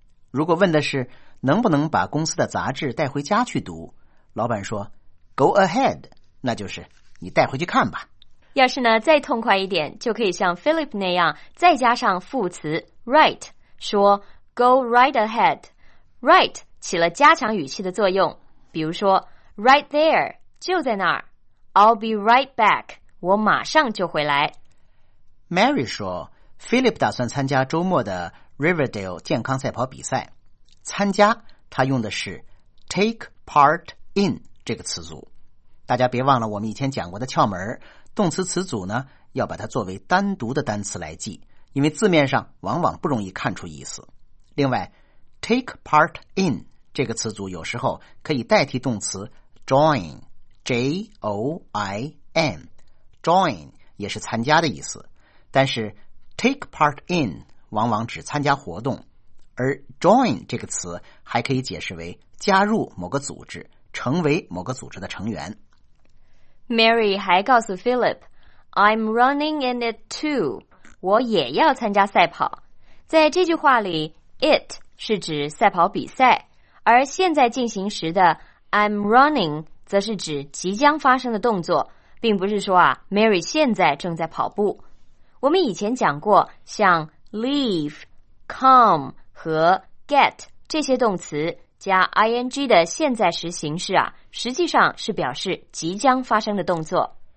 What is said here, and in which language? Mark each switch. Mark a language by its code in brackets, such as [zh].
[zh] 如果问的是能不能把公司的杂志带回家去读，老板说 [en] Go ahead， [zh] 那就是你带回去看吧。要是呢再痛快一点，就可以像 Philip 那样再加上副词 right， 说 [en] go right ahead。 [zh] right 起了加强语气的作用，比如说 [en] right there， [zh] 就在那儿。 [en] I'll be right back， [zh] 我马上就回来。 Mary 说 Philip 打算参加周末的 Riverdale 健康赛跑比赛，参加他用的是 [en] take part in [zh] 这个词组。大家别忘了我们以前讲过的窍门，动词词组呢要把它作为单独的单词来记，因为字面上往往不容易看出意思。另外 [en] take part in [zh] 这个词组有时候可以代替动词 join， J-O-I-N， join 也是参加的意思，但是 take part in 往往只参加活动，而 join 这个词还可以解释为加入某个组织，成为某个组织的成员。 Mary 还告诉 Philip， [en] I'm running in it too， [zh] 我也要参加赛跑。在这句话里， it 是指赛跑比赛，而现在进行时的 [en] I'm running [zh] 则是指即将发生的动作，并不是说啊 Mary 现在正在跑步。我们以前讲过像 leave、 come 和 get 这些动词加 ing 的现在时形式啊，实际上是表示即将发生的动作。